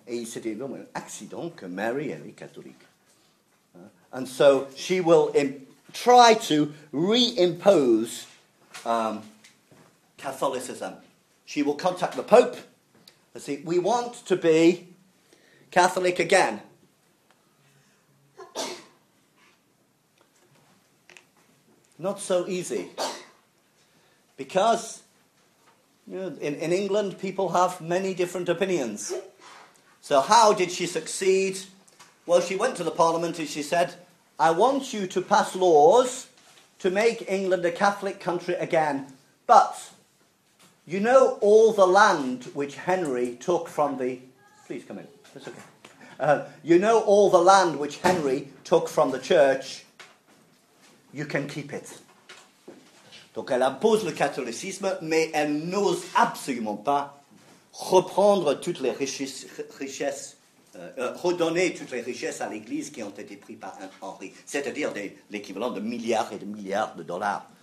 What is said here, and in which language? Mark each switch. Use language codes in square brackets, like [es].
[fr] Et il s'est dit, un accident que Mary, elle est catholique. [en] And so, she will try to re-impose Catholicism. She will contact the Pope and say, we want to be Catholic again. Not so easy, because you know, in England, people have many different opinions. So how did she succeed? Well, she went to the Parliament and she said, I want you to pass laws to make England a Catholic country again, but you know all the land which Henry took from the... Please come in. It's okay. You know all the land which Henry took from the church. You can keep it. [fr] Donc elle impose le catholicisme, mais elle n'ose absolument pas reprendre toutes les richesses, redonner toutes les richesses à l'Église qui ont été prises par Henri, c'est-à-dire l'équivalent de milliards et de milliards de dollars.